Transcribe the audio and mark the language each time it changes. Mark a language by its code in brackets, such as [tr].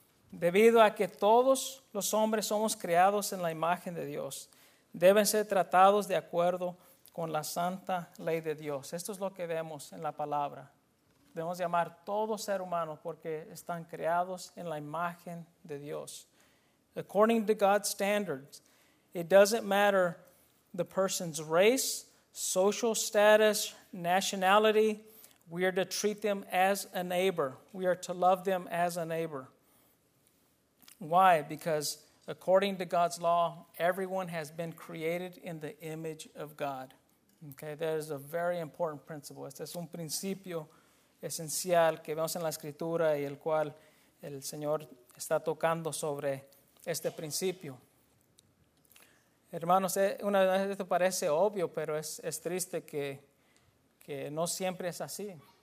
[es] Debido a que todos los hombres somos creados en la imagen de Dios, deben ser tratados de acuerdo con la santa ley de Dios. Esto es lo que vemos en la palabra. Debemos llamar todo ser humano porque están creados en la imagen de Dios. [en] According to God's standards, it doesn't matter the person's race, social status, nationality, we are to treat them as a neighbor. We are to love them as a neighbor. Why? Because according to God's law, everyone has been created in the image of God. Okay, that is a very important principle. [es] Este es un principio esencial que vemos en la Escritura y el cual el Señor está tocando sobre este principio. Hermanos, una vez esto parece obvio, pero es triste que no siempre es así.